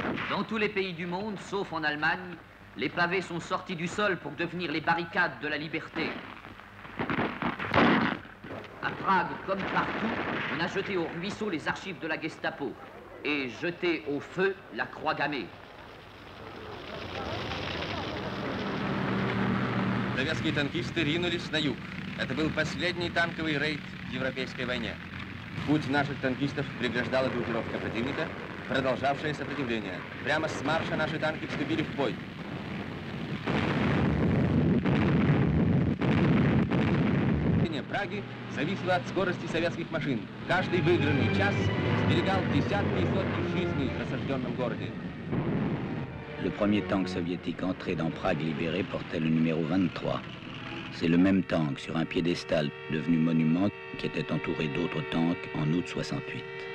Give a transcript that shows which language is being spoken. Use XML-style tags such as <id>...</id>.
<fr>Dans tous les pays du monde, sauf en Allemagne, les pavés sont sortis du sol pour devenir les barricades de la liberté. À Prague, comme partout, on a jeté au ruisseau les archives de la Gestapo et jeté au feu la croix gammée.</fr> <ru>Советские танкисты ринулись на юг. Это был последний танковый рейд в европейской войне. Путь наших танкистов преграждала группировка противника. Продолжавшее сопротивление. Прямо с марша наши танки вступили в бой. Движение Праги зависело от скорости советских машин. Каждый выигранный час сберегал десятки и сотни жизней в осажденном городе.</ru> <fr>Le premier tank soviétique entré dans Prague libéré portait le numéro 23. C'est le même tank sur un piédestal devenu monument qui était entouré d'autres tanks en août 68.</fr>